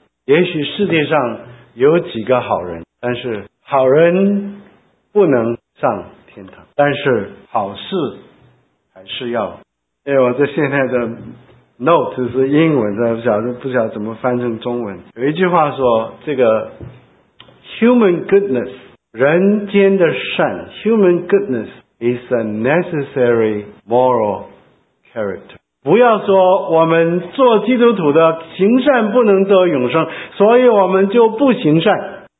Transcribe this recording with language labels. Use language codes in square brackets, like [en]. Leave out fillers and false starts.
[zh] 也许世界上有几个好人，但是好人不能上天堂，但是好事还是要。因为我这现在的 note 是英文的，不晓得怎么翻成中文。有一句话说，这个 [en] human goodness [zh] 人间的善 [en] human goodness is a necessary moral character。 [zh] 不要说我们做基督徒的行善不能得永生，所以我们就不行善。